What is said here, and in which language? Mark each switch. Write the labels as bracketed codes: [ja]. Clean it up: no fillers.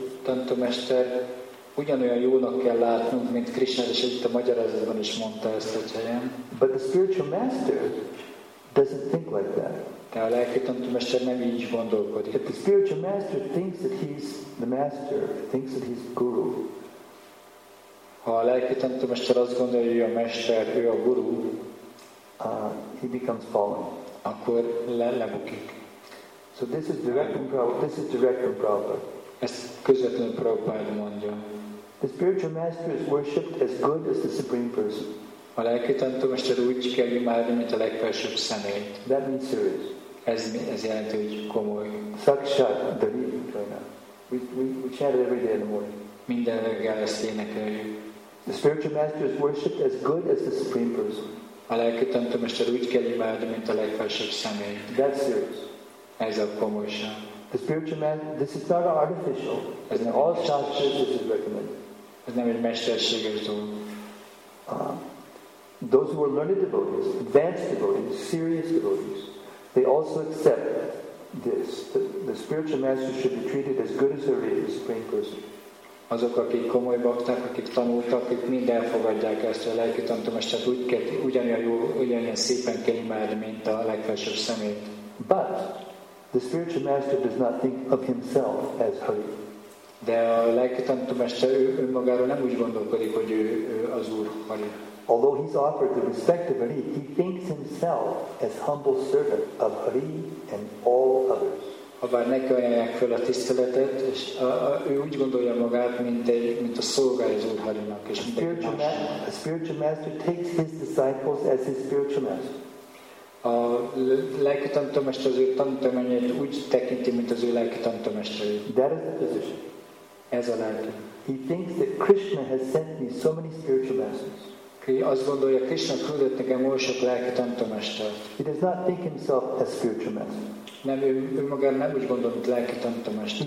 [hu] tanto mester, ugyanolyan jónak kell látnunk, mint Krishna, és itt a magyarázatban is mondta ezt a helyen. [en] But the spiritual master doesn't think like that. [hu] De a lelki tanítómester nem így gondolkodik. [en] If the spiritual master thinks that he's the master, thinks that he's guru. [hu] Ha a lelki tanítómester azt gondolja, hogy ő a mester, ő a guru, [en] he becomes fallen. [hu] Akkor lebukik. [en] So this is direct from Prabhupada. This is direct from Prabhupada. [hu] Ezt közvetlenül Prabhupada mondja. [en] The spiritual master is worshipped as good as the supreme person. [hu] A lelki tanítómester úgy kell imádni, mint a legfelsőbb személyt. [en] That means serious. [hu] Ez jelenti, hogy komoly. Sakshat Devi Prana. [en] We chant it every day in the morning. [hu] Minden reggel ezt énekeljük. [en] The spiritual master is worshipped as good as the supreme person. [hu] A lelki tanítómester úgy kell imádni, mint a legfelsőbb személyt. [en] That's serious. [hu] Ez a komolyság. [en] The spiritual master, this is not artificial. [hu] Ez nem [en] all sakshat, this is recommended. [hu] Ez nem egy mesterséges dolog. [en] Those who are learned devotees, advanced devotees, serious devotees, they also accept this, that the spiritual master should be treated as good as there is, supreme person. [hu] Azok, akik komoly bakták, akik tanultak, akik mind elfogadják ezt, a lelki tanítómestert úgy kell, ugyanilyen szépen kell imádni, mint a legfelsőbb szemét. [en] But the spiritual master does not think of himself as Hari. [hu] De a lelki tanítómester önmagáról nem úgy gondolkodik, hogy ő az Úr Hari. [en] Although he's offered the respect of Hari, he thinks himself as humble servant of Hari and all others. [hu] Habár neki ajánlják fel a tiszteletet, és ő úgy gondolja magát, mint a szolgája az Úr Harinak, és mindenki más. [en] A spiritual master takes his disciples as his spiritual master. [hu] A lelki tanítómester az ő tanítományát úgy tekinti, mint az ő lelki tanítómesterét. [en] That is the position. [hu] Ez a lelki. [en] He thinks that Krishna has sent me so many spiritual masters. [hu] Ki azt gondolja, Krishna küldött nekem oly sok lelki tanítómestert. [en] He does not think himself as spiritual master. [hu] Nem, ő magán nem úgy gondol, mint lelki tanítómester.